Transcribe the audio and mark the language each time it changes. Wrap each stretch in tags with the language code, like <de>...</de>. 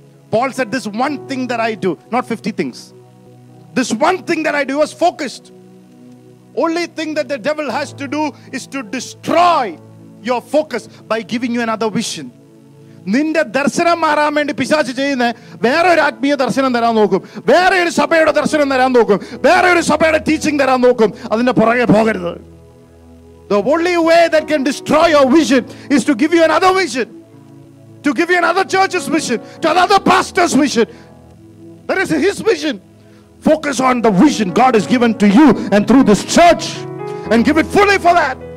<en>Paul said, this one thing that I do, not 50 things. This one thing that I do is focused. Only thing that the devil has to do is to destroy your focus by giving you another vision.</en> <ml>നിന്റെ ദർശനം മാറാൻ വേണ്ടി പിശാച് ചെയ്യുന്ന വേറെ ഒരു ആത്മീയ ദർശനം തരാൻ നോക്കും, വേറെ ഒരു സഭയുടെ ദർശനം തരാൻ നോക്കും, വേറെ ഒരു സഭയുടെ ടീച്ചിങ് തരാൻ നോക്കും. അതിന്റെ പുറകെ പോകരുത്.</ml> <en>The only way that can destroy your vision is to give you another vision, to give you another church's vision, to another pastor's vision. That is his vision. Focus on the vision God has given to you and through this church, and give it fully for that.</en>